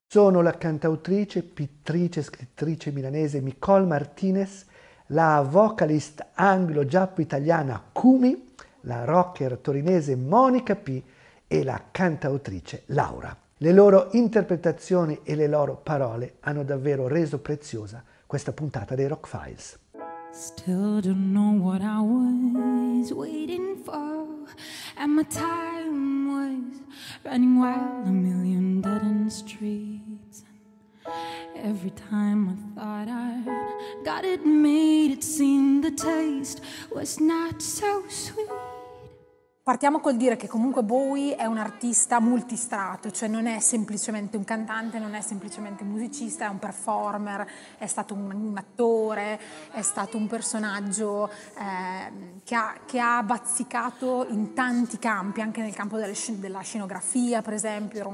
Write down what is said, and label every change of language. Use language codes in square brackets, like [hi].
[it] Sono la cantautrice, pittrice, scrittrice milanese Nicole Martinez, la vocalist anglo-giappo-italiana Kumi, la rocker torinese Monica P e la cantautrice Laura. Le loro interpretazioni e le loro parole hanno davvero reso preziosa questa puntata dei Rock Files. [en] Still don't know what I was waiting for, and my time was running wild, a million dead end streets. Every time I thought I got it made, it seemed the taste was not so sweet. [it] Partiamo col dire che comunque Bowie è un artista multistrato, cioè non è semplicemente un cantante, non è semplicemente un musicista, è un performer, è stato un attore, è stato un personaggio che ha bazzicato in tanti campi, anche nel campo della scenografia, per esempio.